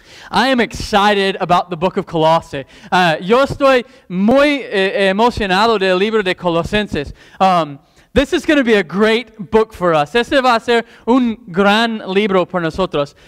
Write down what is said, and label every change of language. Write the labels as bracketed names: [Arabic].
[English] I am excited about the book of Colossae. [Spanish] Yo estoy muy emocionado del libro de Colosenses. [English] This is going to be a great book for us. [Spanish] Este va a ser un gran libro para nosotros.